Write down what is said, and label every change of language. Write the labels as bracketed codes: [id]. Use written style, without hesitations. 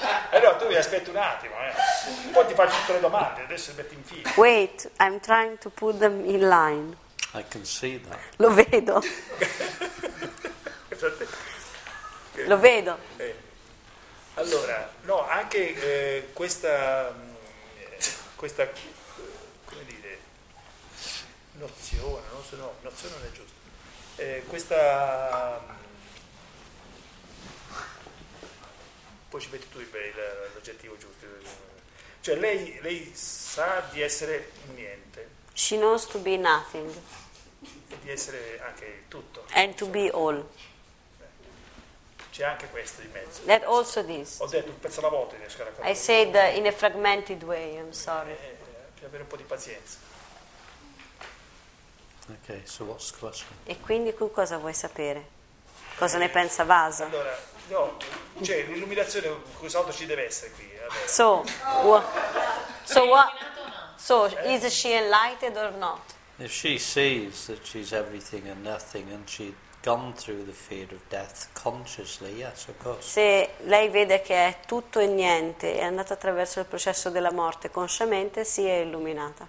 [it] Allora tu mi aspetti un attimo, poi ti faccio tutte le domande, adesso le metti in fila. [en] Wait, I'm trying to put them in line. I can see that. [it] Lo vedo. Lo vedo. Allora, no, anche questa come dire nozione, non so, no, nozione non è giusto. Questa poi ci metti tu l'aggettivo giusto. Cioè lei sa di essere niente. [en] She knows to be nothing. [it] E di essere anche tutto. [en] And to be all. [it] C'è anche questo di mezzo. [en] That also this. [it] Ho detto un pezzo alla volta, riesco a raccontare. [en] I said in a fragmented way, I'm sorry. [it] Per avere un po' di pazienza. [en] Ok, so what's the question? [it] E quindi tu cosa vuoi sapere? Cosa ne pensa Vasa? Allora, no, cioè l'illuminazione, cos'altro ci deve essere qui? Vabbè. [en] So, is she enlightened or not? If she sees that she's everything and nothing and she gone through the fear of death consciously, yes, of course. [it] Se lei vede che è tutto e niente, è andata attraverso il processo della morte consciamente, si è illuminata.